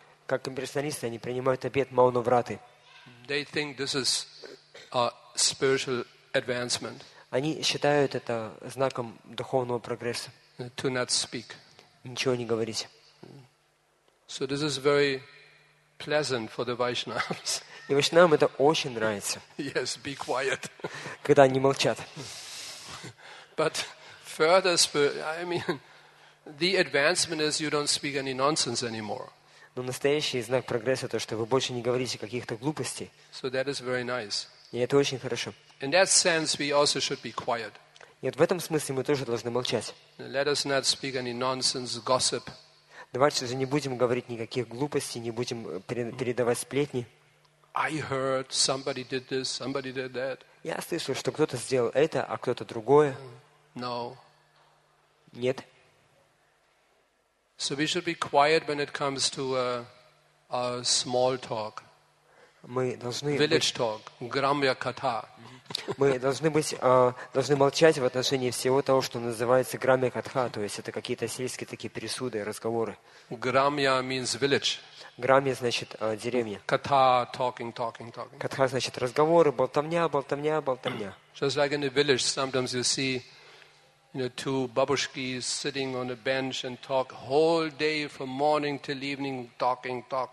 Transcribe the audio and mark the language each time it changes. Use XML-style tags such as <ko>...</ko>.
<ru>Как имперсоналисты, они принимают обет Маунавраты.</ru> <en>They think this is a spiritual advancement.</en> <ru>Они считают это знаком духовного прогресса.</ru> <en>To not speak.</en> <ru>Ничего не говорить.</ru> <en>So this is very pleasant for the Vaishnavas.</en> <ru>И Вайшнавам это очень нравится.</ru> <en>Yes, be quiet.</en> <ru>Когда они молчат.</ru> <en>But further, I mean, the advancement is you don't speak any nonsense anymore.</en> <ru>Но настоящий знак прогресса то, что вы больше не говорите каких-то глупостей.</ru> <en>So that is very nice.</en> <ru>И это очень хорошо.</ru> <en>In that sense, we also should be quiet.</en> <ru>Нет, в этом смысле мы тоже должны молчать.</ru> <en>Let us not speak any nonsense, gossip.</en> <ru>Давайте же не будем говорить никаких глупостей, не будем передавать сплетни.</ru> <en>I heard somebody did this, somebody did that.</en> <ru>Я слышал, что кто-то сделал это, а кто-то другое.</ru> <en>No.</en> <ru>Нет.</ru> <en>So we should be quiet when it comes to a small talk.</en> <ru>Мы должны</ru> <en>village talk, грамья ката.</en> <ru>Мы должны молчать в отношении всего того, что называется грамья катха, то есть это какие-то сельские такие пересуды, разговоры.</ru> <en>Грамья means village.</en> <ru>Грамья значит деревня.</ru> <en>Ката talking.</en> <ru>Катха значит разговоры, болтовня.</ru> <en>Just like in the village, sometimes you see, you know, two babushkis sitting on a bench and talk whole day from morning till evening, talking.</en>